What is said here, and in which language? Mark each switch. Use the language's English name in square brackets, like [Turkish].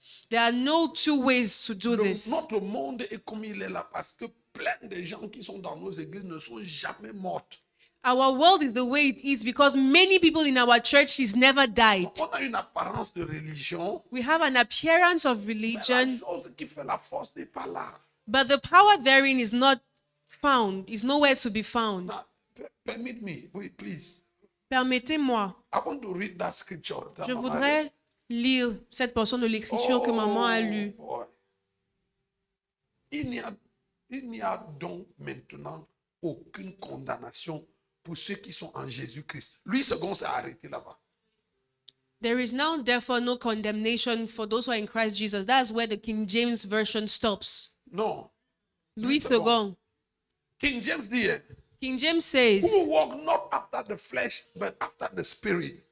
[English] There are no two ways to do this. [French] Notre monde est comme il est là parce que plein de gens qui sont dans nos églises ne sont jamais morts. [English] Our world is the way it is because many people in our churches never died. [French] On a une apparence de religion, [English] we have an appearance of religion. [French] Mais la chose qui fait la force n'est pas là. [English] But the power therein is not found, is nowhere to be found. Permit me, oui, please. [French] Permettez-moi. [English] I want to read that scripture. [French] Je voudrais lire cette portion de l'écriture que maman a lue. [English] Boy. [French] Il n'y a donc maintenant aucune condamnation pour ceux qui sont en Jésus-Christ. Lui, second, s'est arrêté là-bas. [English] There is now therefore no condemnation for those who are in Christ Jesus. That's where the King James Version stops. [French] Non. Louis II. King James dit. [English] King James says. Who walk not after the flesh, but after the spirit.